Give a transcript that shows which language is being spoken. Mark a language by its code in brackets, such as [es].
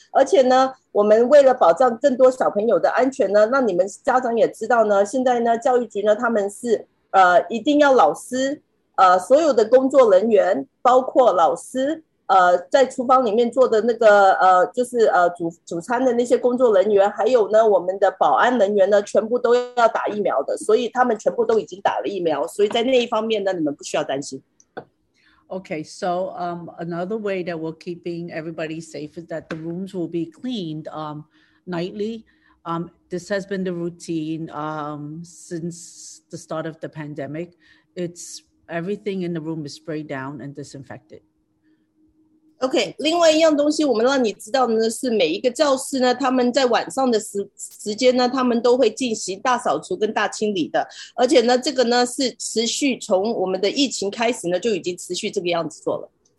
[zh] 而且呢，我们为了保障更多小朋友的安全呢，让你们家长也知道呢，现在呢，教育局呢他们是一定要老师所有的工作人员，包括老师。在厨房里面做的那个就是煮餐的那些工作人员，还有呢我们的保安人员呢，全部都要打疫苗的，所以他们全部都已经打了疫苗，所以在那一方面呢，你们不需要担心。 [en] Okay, so another way that we're keeping everybody safe is that the rooms will be cleaned nightly. This has been the routine since the start of the pandemic. It's everything in the room is sprayed down and disinfected. [zh] OK, 另外一样东西我们让你知道的是每一个教室呢，他们在晚上的时间呢，他们都会进行大扫除跟大清理的。而且呢，这个呢是持续从我们的疫情开始呢，就已经持续这个样子做了。